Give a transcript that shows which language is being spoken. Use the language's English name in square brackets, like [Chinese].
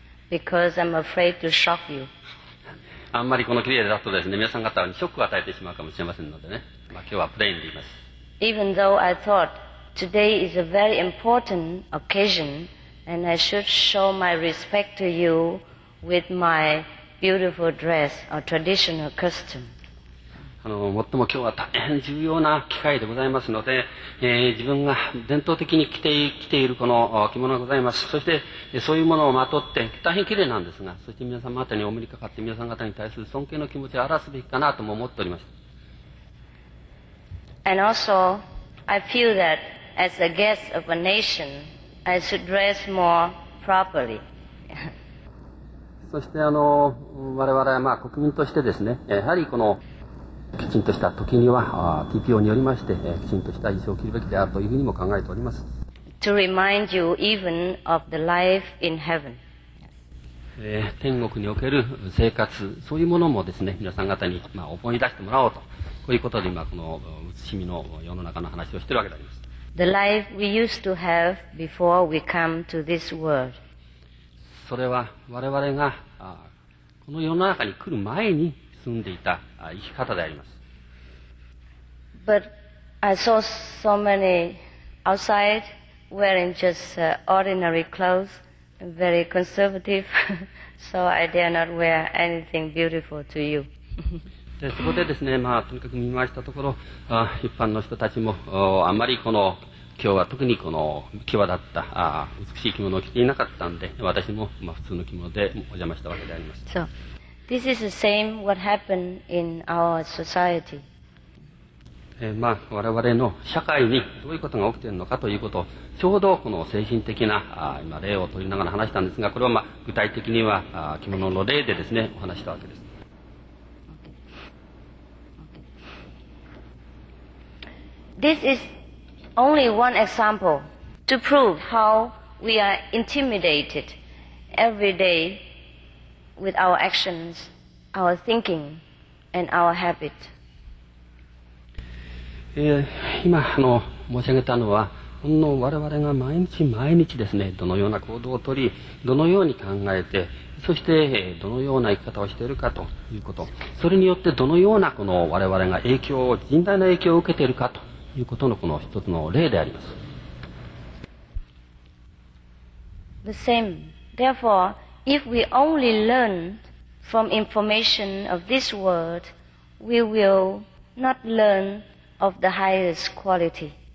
[English] Because I'm afraid to shock you. [Japanese] あんまりこの綺麗だとですね、皆さん方にショックを与えてしまうかもしれませんのでね、今日はプレーンで言います。 [English] Even though I thought today is a very important occasion. And I should show my respect to you with my beautiful dress or traditional custom. [Japanese] もっとも今日は大変重要な機会でございますので、自分が伝統的に着ているこの着物がございます。そして、そういうものをまとって大変綺麗なんですが、そして皆様方にお目にかかって皆さん方に対する尊敬の気持ちを表すべきかなとも思っておりました。 [English] And also, I feel that as a guest of a nation, I should dress more properly. [Japanese] そして我々は国民としてですね、やはりこのきちんとした時には TPO によりましてきちんとした衣装を着るべきであるというふうにも考えております。 [English] To remind you even of the life in heaven. [Japanese] 天国における生活、そういうものもですね、皆さん方に思い出してもらおうと、こういうことで今この写し見の世の中の話をしているわけであります。 [English] The life we used to have before we come to this world. [Japanese] それは我々がこの世の中に来る前に住んでいた生き方であります。 [English] But I saw so many outside wearing just ordinary clothes, very conservative, so I dare not wear anything beautiful to you. [Japanese] でそこでですね、とにかく見回したところ、一般の人たちも、あまりこの今日は特にこの際立った美しい着物を着ていなかったんで、私も普通の着物でお邪魔したわけであります。 [English] So, this is the same what happened in our society. [Japanese] 我々の社会にどういうことが起きているのかということを、ちょうどこの精神的な今例を取りながら話したんですが、これは具体的には着物の例でですね、お話したわけです。 [English] This is only one example to prove how we are intimidated every day with our actions, our thinking, and our habit. [Japanese] 今申し上げたのは、ほんの我々が毎日毎日ですね、どのような行動をとり、どのように考えて、そしてどのような生き方をしているかということ、それによってどのようなこの我々が影響を、甚大な影響を受けているかと、いうことのこの一つの例であります。 [English] The same. Therefore, if we only learn from information of this world, we will not learn of the highest quality.